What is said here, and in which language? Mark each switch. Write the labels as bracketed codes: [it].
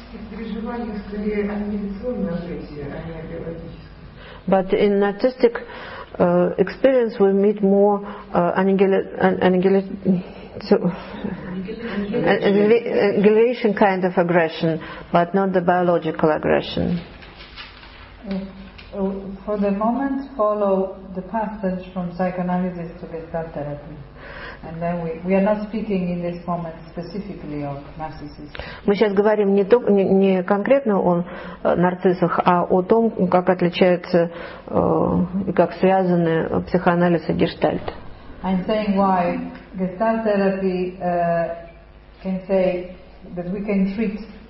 [ru] Переживание скорее амбициозная агрессия, а не биологическая. [en] But in narcissistic experience we meet more annihilation kind of aggression, but not the biological aggression. For the moment, follow the passage from psychoanalysis to Gestalt therapy, and then we are not speaking in this moment specifically of narcissists. [ru] Мы сейчас говорим не конкретно о нарциссах, а о том, как отличается и как связаны психоанализ и гештальт. [en] I'm saying why Gestalt therapy can say that we can treat.